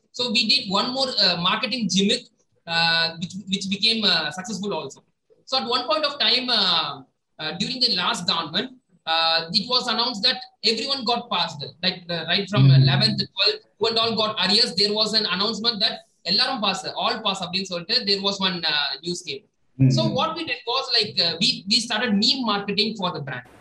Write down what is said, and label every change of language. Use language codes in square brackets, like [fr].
[en] So we did one more marketing gimmick, which became successful also. So at one point of time, during the last government, it was announced that everyone got passed, like right from 11th to 12th, when all got arrears, there was an announcement that [ta] எல்லாரும் pass all pass அப்படின்னு சொல்லிட்டு [en] There was one news game. So what we did was like we started meme marketing for the brand.